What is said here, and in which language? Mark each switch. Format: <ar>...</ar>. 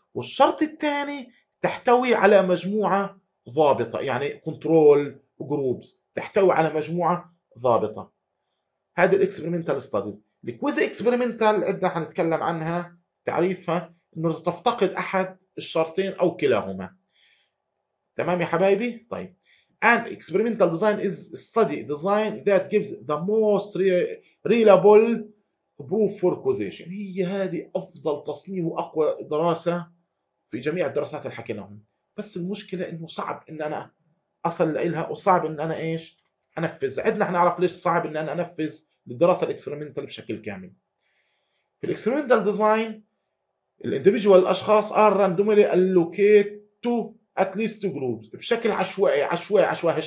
<ar>والشرط الثاني تحتوي على مجموعة ضابطة، يعني كنترول جروبز تحتوي على مجموعة ضابطة. هذه الاكسبيرمنتال ستاديز. الكويز اكسبيرمنتال عندنا حنتكلم عنها، تعريفها انه تفتقد احد الشرطين او كلاهما. تمام يا حبايبي.</ar> <en>طيب an experimental design is a study design that gives the most reliable proof for causation.</en> <ar>هي هذه افضل تصميم واقوى دراسه في جميع الدراسات اللي حكيناهم، بس المشكله انه صعب ان انا اصل لها، وصعب ان انا ايش انفذ. عدنا احنا نعرف ليش صعب ان انا انفذ الدراسه الاكسبيرمنتال بشكل كامل. في الاكسبيرمنتال ديزاين الانديفيدوال، الاشخاص</ar> <en>are randomly allocated to at least two groups</en> <ar>بشكل عشوائي عشوائي عشوائي.</ar>